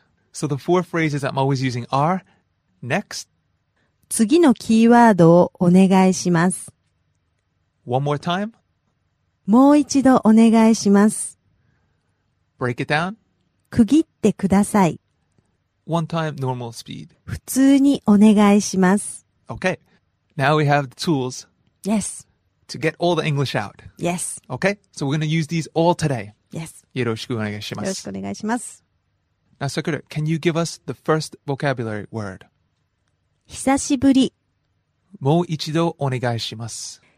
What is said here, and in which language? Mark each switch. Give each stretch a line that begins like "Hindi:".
English: So the four phrases I'm always using are next.
Japanese: 次のキーワードをお願いします。
English: One more time.
Japanese: もう一度お願いします。
English: Break it down.
Japanese: 区切ってください。
English: One time normal speed.
Japanese: 普通にお願いします。
English: Okay. Now we have the tools. Yes. To get all the English out. Yes. Okay? So we're going to use these all today. Yes.
Japanese: よろしくお願いします。よろしくお願いします。
English: Now, Sakura, can you give us the first vocabulary word?
Japanese: 久しぶり。もう一度お願いします。